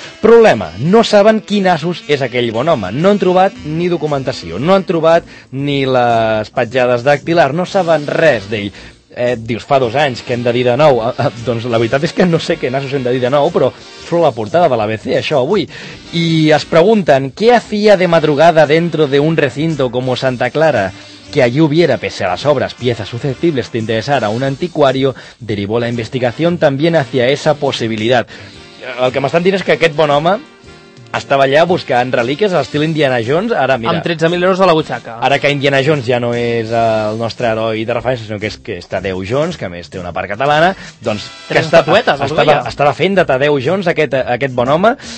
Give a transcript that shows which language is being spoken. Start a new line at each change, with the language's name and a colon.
Catalan: Problema, no saben quin assos és aquell bon home. No han trobat ni documentació, no han trobat ni les petjades dactilars, no saben res d'ell. Dius, fa dos anys, que hem de dir de nou? Doncs la veritat és que no sé què nassos hem de dir de nou, però surt la portada de l'ABC, això, avui. I es pregunten,
Spanish: què hacía de madrugada dentro de un recinto como Santa Clara? Que allí hubiera, pese a las obras, piezas susceptibles de interesar a un anticuario, derivó la investigación también hacia esa posibilidad.
Catalan: El que m'estan dient és que aquest bon home estava allà buscant relíquies a l'estil Indiana Jones. Ara, mira, amb 13.000 euros a la butxaca. Ara que Indiana Jones ja no és el nostre heroi de referència, sinó que és que és Tadeu Jones, que a més té una part catalana, doncs... Estava fent de Tadeu Jones aquest bon home.